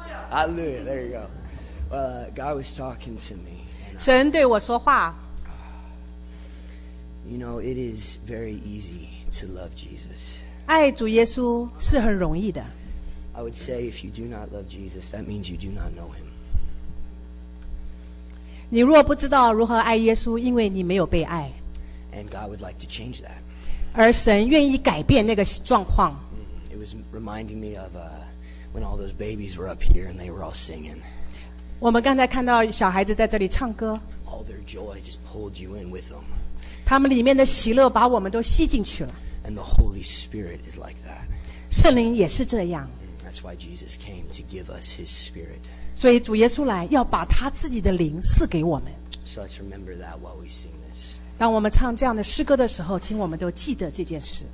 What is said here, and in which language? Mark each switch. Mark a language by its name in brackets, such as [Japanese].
[English] Hallelujah. There you go. Well, God was talking to me. [Chinese] 神对我说话. [English] You know, it is very easy to love Jesus. [Chinese] 爱主耶稣是很容易的. [English] I would say if you do not love Jesus, that means you do not know him. [Chinese] 你若不知道如何爱耶稣，因为你没有被爱. [English] And God would like to change that. [Chinese] 而神愿意改变那个状况. [English] It was reminding me of when all those babies were up here and they were all singing. [Chinese] 我们刚才看到小孩子在这里唱歌. [English] All their joy just pulled you in with them. [Chinese] 他们里面的喜乐把我们都吸进去了. [English] And the Holy Spirit is like that. [Chinese] 圣灵也是这样. [English] That's why Jesus came to give us his Spirit. [Chinese] 所以主耶稣来要把他自己的灵赐给我们. [English] So let's remember that while we sing this. [Chinese] 当我们唱这样的诗歌的时候, 请我们都记得这件事.